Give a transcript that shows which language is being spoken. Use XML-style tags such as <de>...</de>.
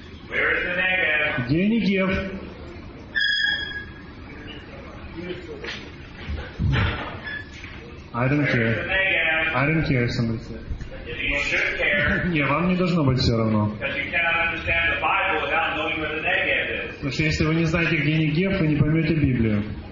<en>Where is the Negev?</en> <ru>Где Негев?</ru> <en>I don't care. I don't care, somebody said. You should care.</en> <ru>Не, вам не должно быть все равно.</ru> <en>Because you cannot understand the Bible without knowing where the Negev is.</en> <ru>Потому что если вы не знаете, где Негев, вы не поймете Библию.</ru>